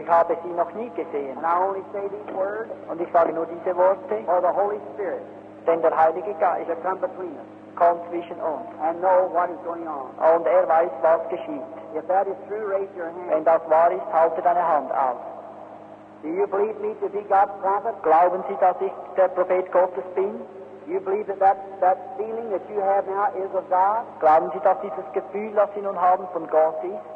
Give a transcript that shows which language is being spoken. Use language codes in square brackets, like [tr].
[de] Ich habe sie noch nie gesehen. [en] And I only say these words. [de] Und ich sage nur diese Worte. [en] For the Holy Spirit. [de] Denn der Heilige Geist. [en] To come between us. [de] Kommt zwischen uns. [en] And know what is going on. [de] Und er weiß, was geschieht. [en] If that is true, raise your hand. [de] Wenn das wahr ist, halte deine Hand auf. [en] Do you believe me to be God's prophet? [de] Glauben Sie, dass ich der Prophet Gottes bin? [en] Do you believe that feeling that you have now is of God? [de] Glauben Sie, dass dieses Gefühl, das Sie nun haben, von Gott ist?